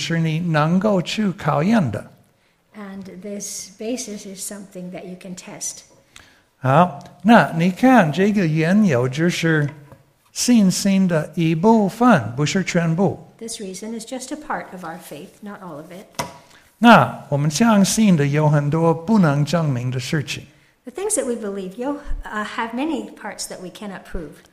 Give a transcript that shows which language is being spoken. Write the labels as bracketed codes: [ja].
[zh] 那这个基础是你能够去考验的。 [en] And this basis is something that you can test. [zh] 好，那你看这个缘由就是 信心的一部分，不是全部。 [en] This reason is just a part of our faith, not all of it. [zh] 那我们相信的有很多不能证明的事情。 [en] The things that we believe have many parts that we cannot prove.